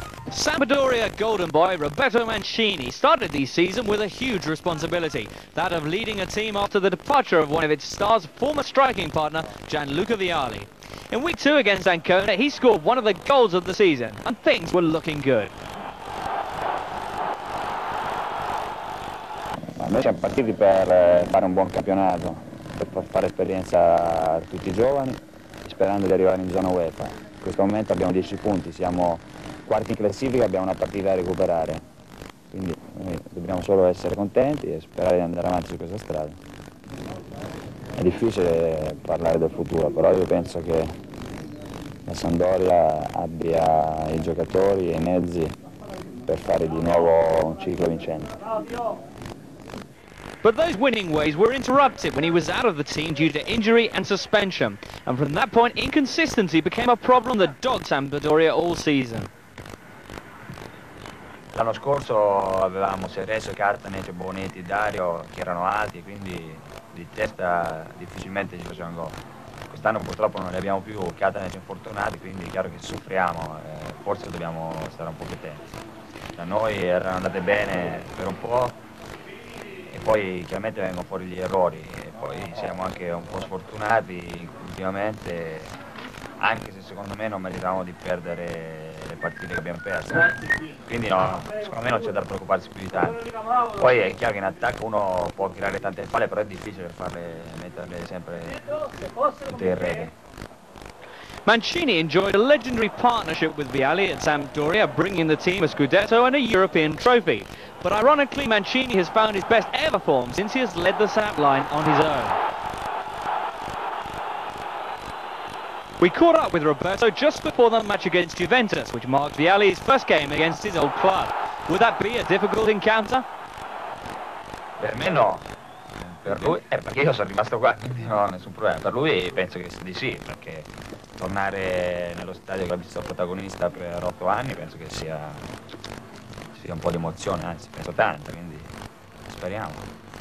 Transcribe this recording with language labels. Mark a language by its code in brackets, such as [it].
[en] Sampdoria golden boy Roberto Mancini started the season with a huge responsibility, that of leading a team after the departure of one of its stars' former striking partner, Gianluca Vialli. In week two against Ancona, he scored one of the goals of the season, and things were looking good. [it] Noi siamo partiti per fare un buon campionato, per fare esperienza a tutti I giovani, sperando di arrivare in zona UEFA. In questo momento abbiamo 10 punti, siamo quarti in classifica, abbiamo una partita da recuperare. Quindi noi dobbiamo solo essere contenti e sperare di andare avanti su questa strada. è difficile parlare del futuro, però io penso che la Sampdoria abbia i giocatori e i mezzi per fare di nuovo un ciclo vincente. [en] But those winning ways were interrupted when he was out of the team due to injury and suspension. And from that point, inconsistency became a problem that dogged Sampdoria all season. [it] L'anno scorso avevamo Cerezo, Cartanese, Bonetti, Dario, che erano alti, quindi di testa difficilmente ci facevano gol. Quest'anno purtroppo non li abbiamo più, Cartanese infortunati, quindi è chiaro che soffriamo, forse dobbiamo stare un po' più attenti. Da noi erano andate bene per un po', e poi chiaramente vengono fuori gli errori, e poi siamo anche un po' sfortunati ultimamente, anche se secondo me non meritavamo di perdere le partite che abbiamo perso, quindi no, secondo me non c'è da preoccuparsi più di tanto. Poi è chiaro che in attacco uno può tirare tante palle, però è difficile farle, metterle sempre tutte in rete. [en] Mancini enjoyed a legendary partnership with Viali at Sampdoria, bringing the team a Scudetto and a European trophy. But ironically, Mancini has found his best ever form since he has led the Samp line on his own. We caught up with Roberto just before the match against Juventus, which marked Viali's first game against his old club. Would that be a difficult encounter? [it] Per me no. Per lui, perché io sono rimasto qua, quindi non ho nessun problema. Per lui penso che di sì, perché tornare nello stadio che ha visto protagonista per 8 anni penso che sia un po' di emozione, anzi penso tanta, quindi speriamo.